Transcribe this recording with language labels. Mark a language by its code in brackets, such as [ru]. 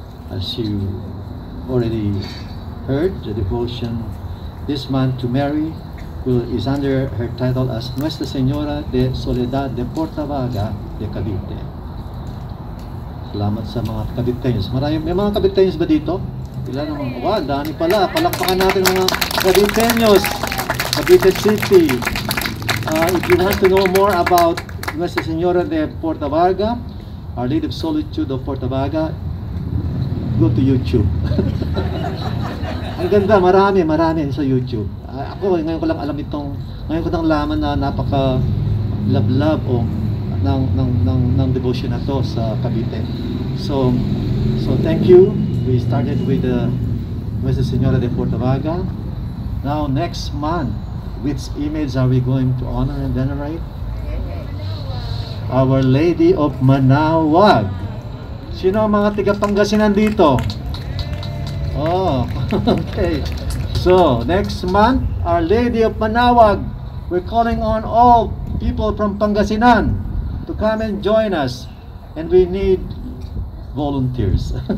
[en] As you already heard, the devotion this month to Mary is under her title as Nuestra Señora de Soledad de Portavaga de Cavite. [tl] Salamat sa mga Cavitenos. May mga Cavitenos ba dito? Ilan ang mga? Wow, dami pala. Palakpakan natin mga Cavitenos. Cavite City. [en] If you want to know more about Nuestra Señora de Portavaga, Our Lady of Solitude of Portavaga, go to YouTube. [tl] Ang ganda, marami sa YouTube. Ako, ngayon ko lang alam itong, ngayon ko lang laman na napaka love o ng devotion na to sa Cavite. [en] So thank you. We started with the Nuestra Señora de Portavaga. Now, next month, which image are we going to honor and venerate? Our Lady of Manawag. [tl] Sino ang mga tigapanggasinan dito? [en] Oh, okay. So, next month, Our Lady of Manawag, we're calling on all people from Pangasinan to come and join us, and we need volunteers.